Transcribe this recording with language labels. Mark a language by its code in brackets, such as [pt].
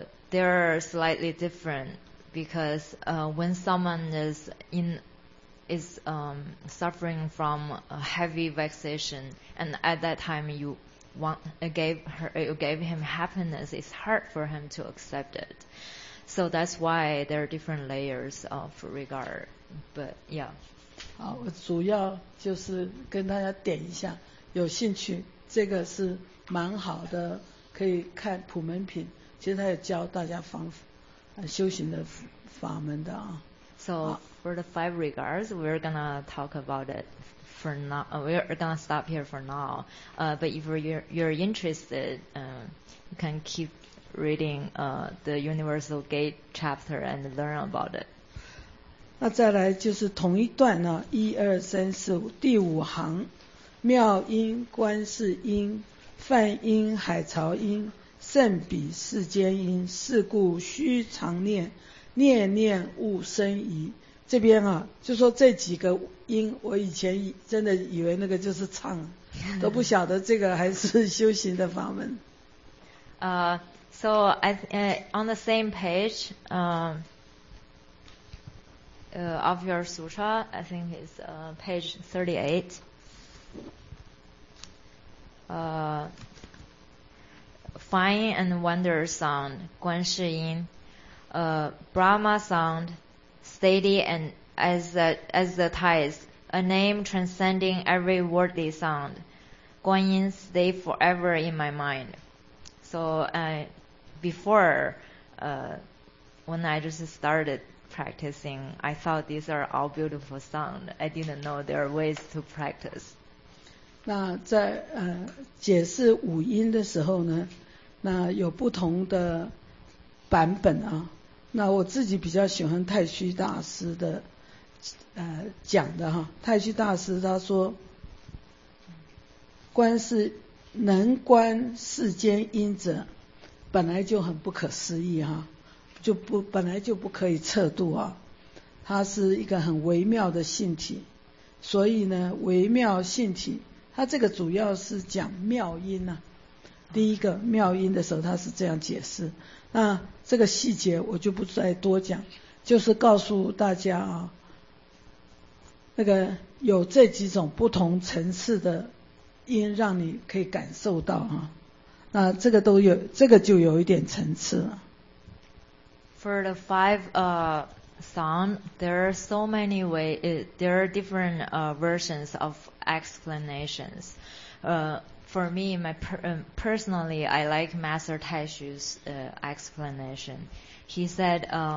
[en] They're slightly different because when someone is suffering from a heavy vexation, and at that time you gave him happiness, it's hard for him to accept it. So that's why there are different layers of regard. But yeah. [zh] 好，我主要就是跟大家点一下，有兴趣这个是蛮好的，可以看普门品，其实他也教大家修行的法门的啊。 [en] So for the five regards, we're going to talk about it for now. We're going to stop here for now. But if you're interested, you can keep reading the Universal Gate chapter and learn about it. [zh] 那再来就是同一段呢，一二三四五第五行，妙音观世音，梵音海潮音，圣彼世间音，是故须常念，念念勿生疑。这边啊，就说这几个音，我以前真的以为那个就是唱，都不晓得这个还是修行的法门。 [en] So on the same page, of your sutra, I think it's page 38. Fine and wonder sound, 观世音, Brahma sound, steady and as the tides, a name transcending every worldly sound, 观音 stay forever in my mind. So before, when I just started practicing, I thought these are all beautiful sounds. I didn't know there are ways to practice. [zh] 那在解释五音的时候呢，那有不同的版本啊。那我自己比较喜欢太虚大师的讲的哈。太虚大师他说，观世能观世间音者，本来就很不可思议哈。就不本来就不可以测度啊，它是一个很微妙的性体，所以呢，微妙性体，它这个主要是讲妙音呐、啊。第一个妙音的时候，它是这样解释。那这个细节我就不再多讲，就是告诉大家啊，那个有这几种不同层次的音，让你可以感受到啊。那这个都有，这个就有一点层次了。 [en] For the five sound, there are so many ways, there are different versions of explanations. For me, personally, I like Master Taishu's explanation. He said,